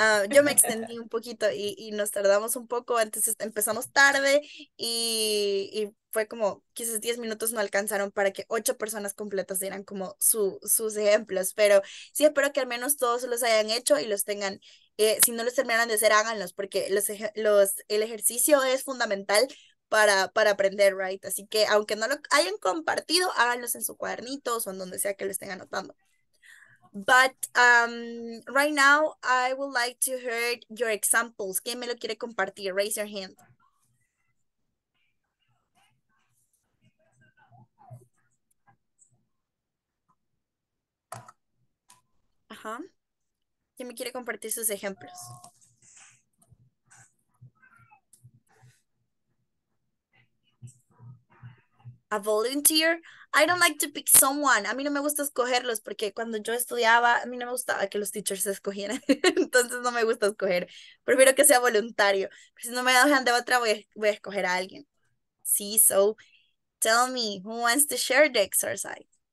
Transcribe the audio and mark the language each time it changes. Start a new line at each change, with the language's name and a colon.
Spanish: Yo me extendí un poquito y nos tardamos un poco, entonces empezamos tarde y fue como, quizás 10 minutos no alcanzaron para que 8 personas completas dieran como sus ejemplos, pero sí espero que al menos todos los hayan hecho y los tengan, si no los terminaron de hacer, háganlos, porque el ejercicio es fundamental para aprender, right? Así que aunque no lo hayan compartido, háganlos en su cuadernito o en donde sea que lo estén anotando.
English: But right now I would like to hear your examples.
Spanish: ¿Quién me lo quiere compartir?
English: Raise your hand.
Spanish: Ajá. ¿Quién me quiere compartir sus ejemplos?
English: A volunteer. I don't like to pick someone.
Spanish: A mí no me gusta escogerlos porque cuando yo estudiaba, a mí no me gustaba que los teachers se escogieran. Entonces no me gusta escoger. Prefiero que sea voluntario. Pero si no me dejan de otra, voy a escoger a alguien.
English: Sí, so tell me, who wants to share the exercise?